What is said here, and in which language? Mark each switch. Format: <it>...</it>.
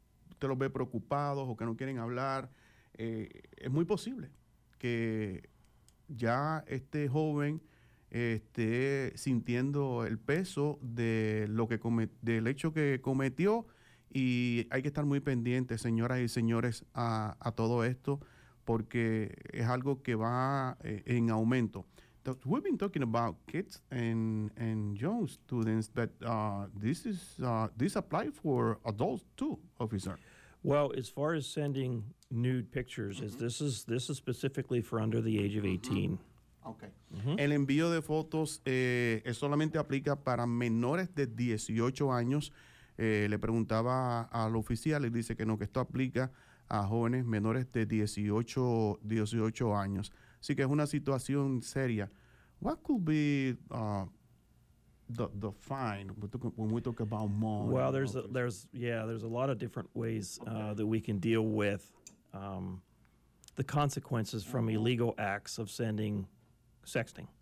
<es>usted los ve preocupados o que no quieren hablar, es muy posible que ya este joven esté sintiendo el peso de del hecho que cometió, y hay que estar muy pendientes, señoras y señores, a todo esto, porque es algo que va en aumento.</es> <en>We've been talking about kids and young students, but this applies for adults too, officer. Well, as far as sending nude pictures, mm-hmm, this is specifically for under the age of 18. Mm-hmm. Okay. Mm-hmm.</en> <es>El envío de fotos es solamente aplica para menores de 18 años. Le preguntaba al oficial y dice que no, que esto aplica a jóvenes menores de 18 años. Así que es una situación seria.</es> <en>What could be the fine when we talk about money? Well, there's a lot of different ways that we can deal with the consequences from illegal acts of sending sexting,</en>